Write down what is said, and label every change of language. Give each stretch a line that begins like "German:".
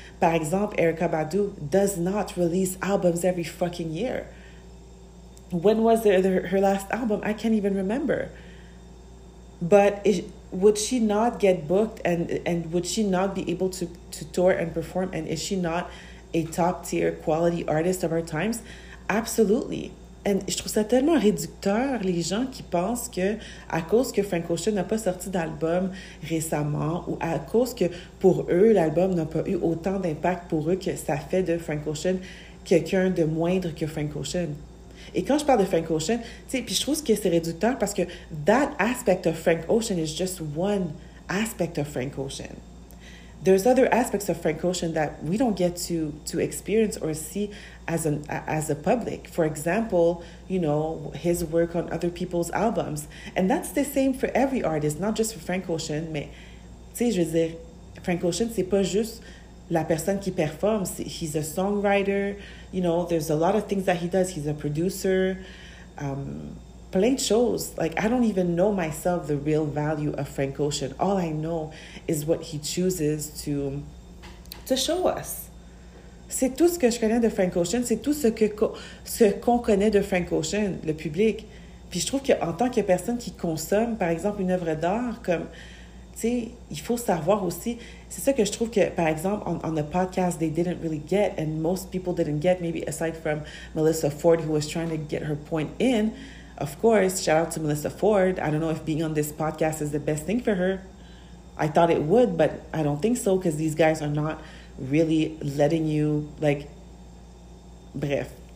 French: Par exemple,
English: Erykah Badu does not release albums every fucking year. when was her last album? I can't even remember. But would she not get booked and would she not be able to tour and perform? And is she not a top tier quality artist of our times? Absolutely.
French: And je trouve ça tellement réducteur, les gens qui pensent que à cause que Frank Ocean n'a pas sorti d'album récemment ou à cause que pour eux, l'album n'a pas eu autant d'impact pour eux que ça fait de Frank Ocean quelqu'un de moindre que Frank Ocean. Et quand je parle de Frank Ocean, tu sais, puis je trouve que c'est réducteur parce que
English: that aspect of Frank Ocean is just one aspect of Frank Ocean. There's other aspects of Frank Ocean that we don't get to experience or see as a public. For example, you know, his work on other people's albums. And that's the same for every artist, not just for Frank Ocean,
French: mais, tu sais, je veux dire, Frank Ocean, c'est pas juste la personne qui performe.
English: He's a songwriter, you know, there's a lot of things that he does. He's a producer,
French: plein de choses.
English: Like, I don't even know myself the real value of Frank Ocean. All I know is what he chooses to show us.
French: C'est tout ce que je connais de Frank Ocean. C'est tout ce qu'on connaît de Frank Ocean, le public. Puis je trouve qu'en tant que personne qui consomme, par exemple, une œuvre d'art, comme, tu sais, il faut savoir aussi. C'est ça que je trouve que, par exemple,
English: on the podcast, they didn't really get, and most people didn't get, maybe aside from Melissa Ford, who was trying to get her point in. Of course, shout out to Melissa Ford. I don't know if being on this podcast is the best thing for her. I thought it would, but I don't think so, because these guys are not really letting you, like, bref.